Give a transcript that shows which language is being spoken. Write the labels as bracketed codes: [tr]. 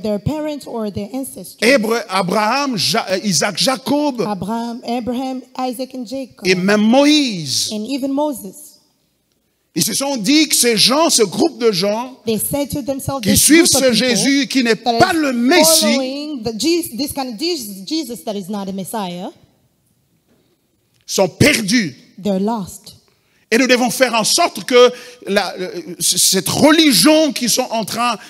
[en] their parents or their ancestors. Abraham, Isaac, Jacob. Abraham, Isaac and Jacob [fr] et même Moïse [en] and even Moses. [fr] Ils se sont dit que ces gens, ce groupe de gens [en] they said to themselves, [fr] qui suivent ce Jésus qui n'est pas le Messie [en] this kind of Jesus that is not a Messiah, [fr] sont perdus. [en] They're lost. [fr] Et nous devons faire en sorte que cette religion qu'ils sont en train